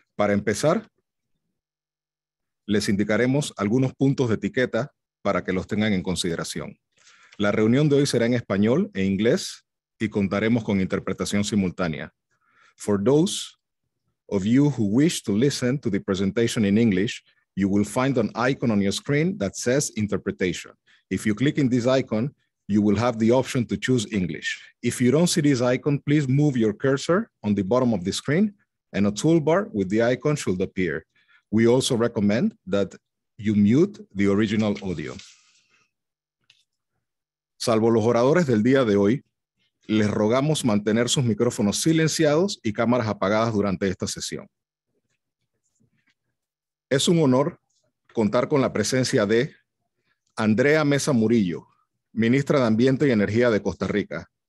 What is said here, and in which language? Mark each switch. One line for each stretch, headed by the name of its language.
Spanish: Para empezar, les indicaremos algunos puntos de etiqueta para que los tengan en consideración. La reunión de hoy será en español e inglés y contaremos con interpretación simultánea.
English: For those of you who wish to listen to the presentation in English, you will find an icon on your screen that says interpretation. If you click in this icon, you will have the option to choose English. If you don't see this icon, please move your cursor on the bottom of the screen and a toolbar with the icon should appear. We also recommend that you mute the original audio.
Spanish: Salvo los oradores del día de hoy, les rogamos mantener sus micrófonos silenciados y cámaras apagadas durante esta sesión. Es un honor contar con la presencia de Andrea Mesa Murillo, ministra de Ambiente y Energía de Costa Rica.